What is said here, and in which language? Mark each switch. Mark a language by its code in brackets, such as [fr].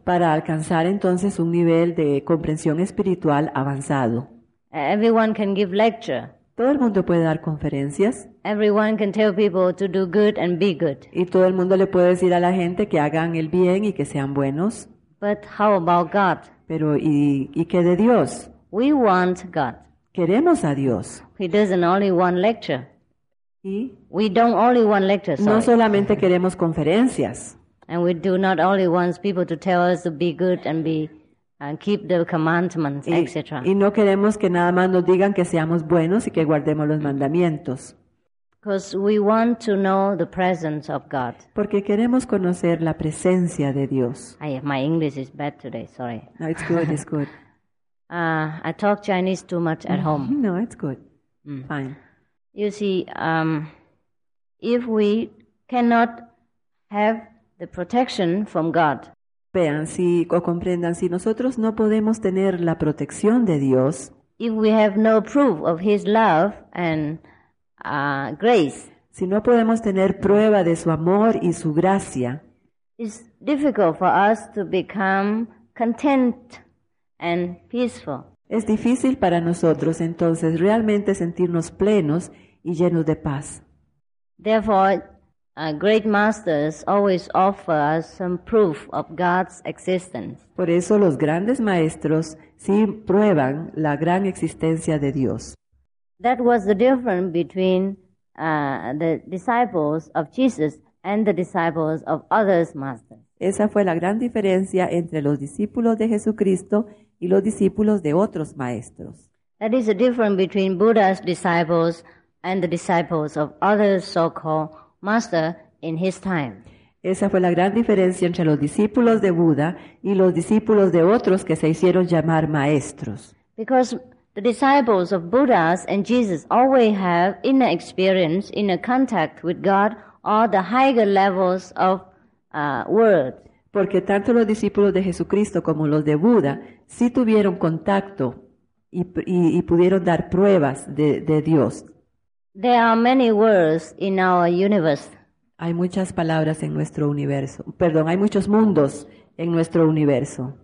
[es] Para alcanzar entonces un nivel de comprensión espiritual avanzado. [en] Everyone can give lecture. [es] Todo el mundo puede dar conferencias. [en] Everyone can tell people to do good and be good. [es] Y todo el mundo le puede decir a la gente que hagan el bien y que sean buenos. [en] But how about God? [es] Pero ¿y qué de Dios? [en] We want God. [es] Queremos a Dios. [en] He doesn't only want lecture. [es] ¿Y? [en] We don't only want lecture, sorry. [es] No solamente queremos conferencias. [en] And we do not only want people to tell us to be good and be and keep the commandments, etc. [es] Y no queremos que nada más nos digan que seamos buenos y que guardemos los mandamientos. [en] Because we want to know the presence of God. [es] Porque queremos conocer la presencia de Dios. [en] My English is bad today, sorry. No, it's good, it's good. I talk Chinese too much at home. No, it's good. Fine. You see, if we cannot have the protection from God, [es] vean si o comprendan si nosotros no podemos tener la protección de Dios. [en] If we have no proof of His love and grace, [es] si no podemos tener prueba de su amor y su gracia, [en] it's difficult for us to become content and peaceful. [es] Es difícil para nosotros entonces realmente sentirnos plenos y llenos de paz. [en] Therefore, great masters always offer us some proof of God's existence. [es] Por eso los grandes maestros sí prueban la gran existencia de Dios. [en] That was the difference between the disciples of Jesus and the disciples of other masters. [es] Esa fue la gran diferencia entre los discípulos de Jesucristo y los discípulos de otros maestros. [en] That is the difference between Buddha's disciples and the disciples of other so-called Master in his time. [es] Esa fue la gran diferencia entre los discípulos de Buda y los discípulos de otros que se hicieron llamar maestros. [en] Because the disciples of Buddha and Jesus always have inner experience, inner contact with God or the higher levels of world. [es] Porque tanto los discípulos de Jesucristo como los de Buda sí tuvieron contacto y pudieron dar pruebas de Dios. [en] There are many worlds in our universe. [es] Hay muchas palabras en nuestro universo. Perdón, hay muchos mundos en nuestro universo.